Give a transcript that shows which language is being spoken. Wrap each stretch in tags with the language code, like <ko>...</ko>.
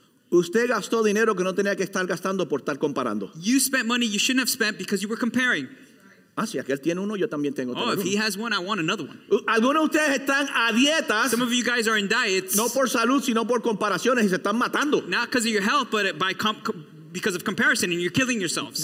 <es>Usted gastó dinero que no tenía que estar gastando por estar comparando.</es> <en>You spent money you shouldn't have spent because you were comparing.</en> <es>Ah, si aquel tiene uno, yo también tengo otro.</es> <en>Oh, if he has one, I want another one.</en> <es>Algunos de ustedes están a dietas.</es> <en>Some of you guys are in diets.</en> <es>No por salud, sino por comparaciones y se están matando.</es> <en>Not because of your health, but because of comparison and you're killing yourselves.</en>